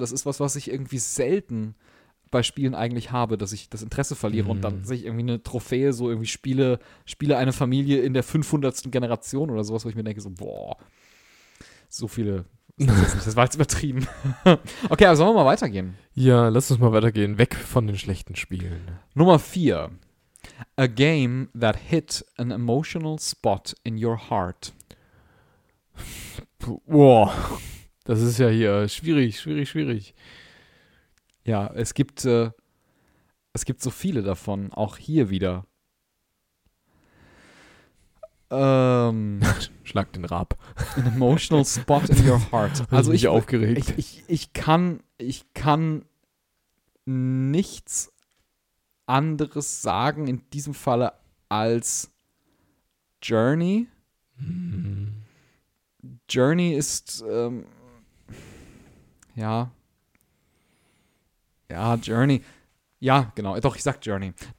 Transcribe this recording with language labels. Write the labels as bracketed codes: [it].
[de] Das ist was, was ich irgendwie selten bei Spielen eigentlich habe, dass ich das Interesse verliere und dann sehe ich irgendwie eine Trophäe, so irgendwie spiele eine Familie in der 500. Generation oder sowas, wo ich mir denke, so, boah, so viele. Das war jetzt übertrieben. Okay, aber sollen wir mal weitergehen? Ja, lass uns mal weitergehen. Weg von den schlechten Spielen. Nummer 4. [en] A game that hit an emotional spot in your heart. [de] Boah, das ist ja hier schwierig, schwierig, schwierig. Ja, es gibt so viele davon, auch hier wieder. Schlag den Raab. [en] An emotional spot in your heart. [de] Also ich bin aufgeregt. Ich kann nichts anderes sagen in diesem Falle als Journey. Journey ist ja, Journey. Ja, genau. Doch, ich sag Journey.